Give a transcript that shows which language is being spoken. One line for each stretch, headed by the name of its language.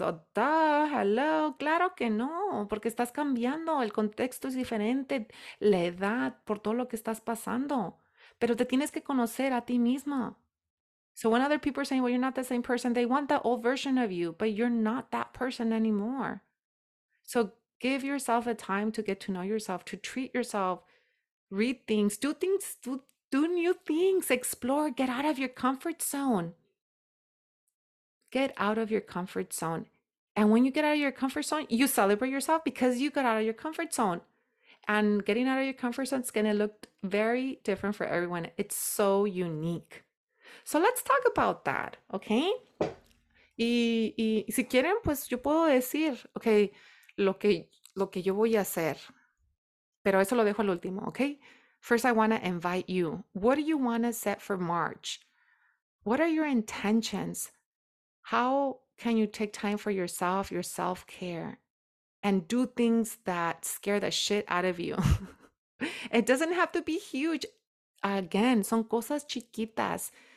Spanish: Oh, duh, hello, claro que no, porque estás cambiando, el contexto es diferente, la edad, por todo lo que estás pasando. Pero te tienes que conocer a ti misma.
English: So when other people are saying, well, you're not the same person, they want the old version of you, but you're not that person anymore. So give yourself a time to get to know yourself, to treat yourself, read things, do new things, explore, get out of your comfort zone. Get out of your comfort zone. And when you get out of your comfort zone, you celebrate yourself because you got out of your comfort zone. And getting out of your comfort zone is going to look very different for everyone. It's so unique. So let's talk about that, okay?
Spanish: Y si quieren, pues yo puedo decir, okay, lo que yo voy a hacer. Pero eso lo dejo al último, okay?
English: First, I want to invite you. What do you want to set for March? What are your intentions? How can you take time for yourself, your self-care, and do things that scare the shit out of you? It doesn't have to be huge. Again,
Spanish: son cosas chiquitas.